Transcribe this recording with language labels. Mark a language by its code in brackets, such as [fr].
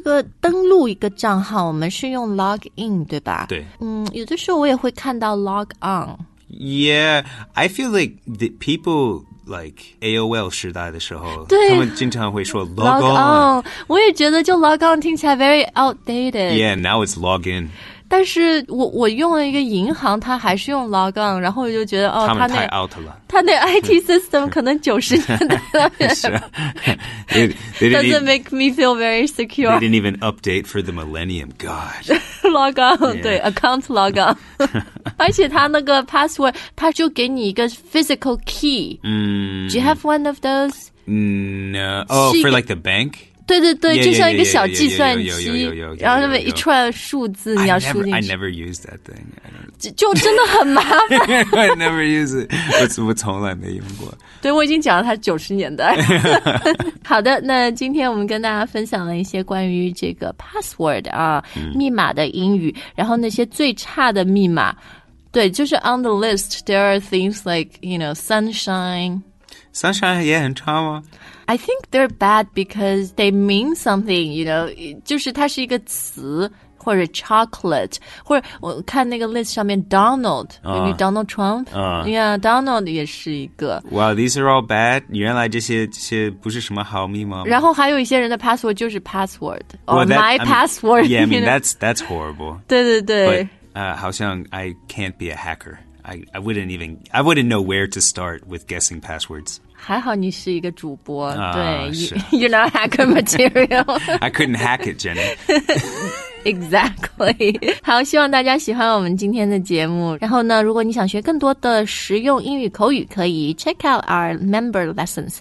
[zh] 个登录一个账号我们是用 log in, 对吧对、有的时候我也会看到 log on. [en] Yeah, I feel like the people like AOL [zh] 时代的时候对他们经常会说 [en] log on. [zh] 我也觉得就 log on 听起来 [en] very outdated. Yeah, now it's log in. [zh] 但是我用了一个银行它还是用 log on, 然后我就觉得、他们太 out 了。他那 IT system 可能90年代了。是啊。 [en] Doesn't make me feel very secure. They didn't even update for the millennium, God. log on,、yeah. 对 ,account log on. [zh] 而且他那个 password, 他就给你一个 physical key.、 [en] Do you have one of those? No. Oh, for like the bank? [zh] 对对对 [en] yeah, [zh] 就像一个小计算机然后那么一串数字你要输进去 [en] I never use that thing [zh] 就真的很麻烦 [en] I never use it [zh] 我从来没用过对我已经讲了它90年代好的那今天我们跟大家分享了一些关于这个 password 啊、密码的英语然后那些最差的密码对就是 [en] on the list there are things like you know sunshine [zh] 也很差吗 [en] I think they're bad because they mean something, you know, [zh] 就是它是一个词或者 [en] chocolate, [zh] 或者我看那个 [en] list 上面 Donald,、maybe Donald Trump,、yeah, Donald [zh] 也是一个。 [en] Wow, these are all bad, [zh] 原来这些不是什么好密码。然后还有一些人的 password 就是 password, [en] well, or that, my I mean, password. Yeah, I mean, that's horrible. [zh] 对对对。好像 [en] I can't be a hacker. I wouldn't know where to start with guessing passwords. [zh] 还好你是一个主播、对 [en] You're not hacker material I couldn't hack it, Jenny Exactly 以。 [zh] 好，希望大家喜欢我们今天的节目。然后呢，如果你想学更多的实用英语口语，可以 [en] check out our member lessons。